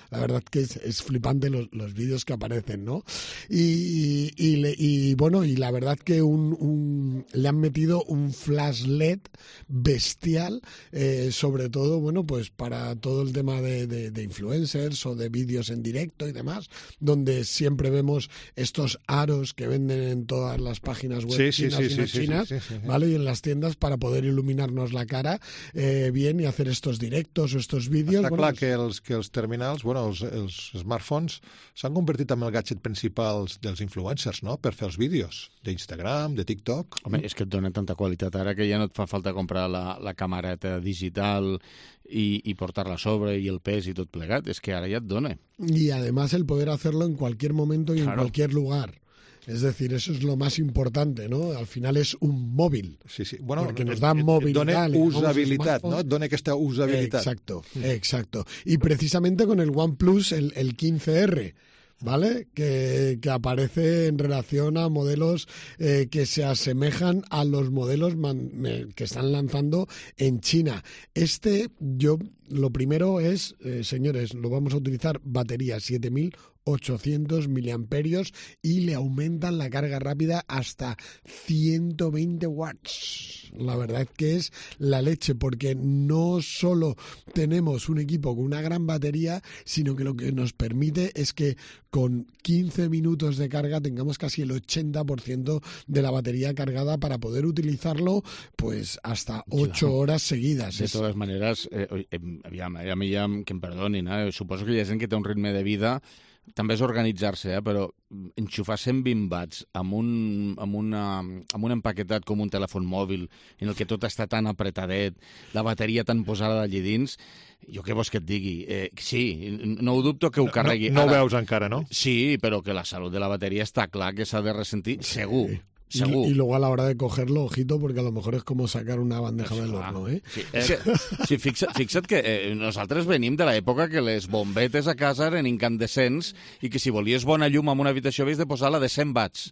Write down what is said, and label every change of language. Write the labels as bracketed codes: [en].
[es] La verdad que es flipante los vídeos que aparecen, ¿no? Y la verdad que le han metido un flash LED bestial, sobre todo, bueno, pues para todo el tema de influencers o de vídeos en directo y demás, donde siempre vemos estos aros que venden en todas las páginas web chinas, ¿vale? Y en las tiendas, para poder iluminarnos la cara bien y hacer estos directos o estos vídeos. Está bueno, claro que [ca] els terminals, bueno, els smartphones s'han convertit en el gadget principal dels influencers, no?, per fer els vídeos d'Instagram, de TikTok. Home, és que et dona tanta qualitat ara que ja no et fa falta comprar la camareta digital i portar-la a sobre i el pes i tot plegat. És que ara ja et dona. [es] I, además, el poder hacerlo en cualquier momento y en cualquier lugar. Es decir, eso es lo más importante, ¿no? Al final es un móvil. Sí. Bueno, porque nos da movilidad. [ca] Dona usabilidad, ¿no? Dona aquesta usabilidad. [es] Exacto. Y precisamente con el OnePlus, el 15R, ¿vale? Que aparece en relación a modelos que se asemejan a los modelos que están lanzando en China. Este, yo, lo primero es, señores, lo vamos a utilizar batería 7.000 800 miliamperios y le aumentan la carga rápida hasta 120 watts. La verdad que es la leche, porque no solo tenemos un equipo con una gran batería, sino que lo que nos permite es que con 15 minutos de carga tengamos casi el 80% de la batería cargada para poder utilizarlo pues hasta 8 horas seguidas. [ca] De todas maneras, que em perdonin, suposo que hi ha gent que té un ritme de vida, també és organitzar-se, però enxufar 120 watts amb un empaquetat com un telèfon mòbil, en el que tot està tan apretadet, la bateria tan posada d'allí dins, jo què vols que et digui? Sí, no ho dubto que ho carregui. No ho veus encara, no? Sí, però que la salut de la bateria està clar que s'ha de ressentir, segur. Segur. [es] Y luego a la hora de cogerlo, ojito, porque a lo mejor es como sacar una bandeja del horno, ¿eh? [ca] Sí, fixa't que nosaltres venim de l'època que les bombetes a casa eren incandescents i que si volies bona llum en una habitació havies de posar la de 100 watts.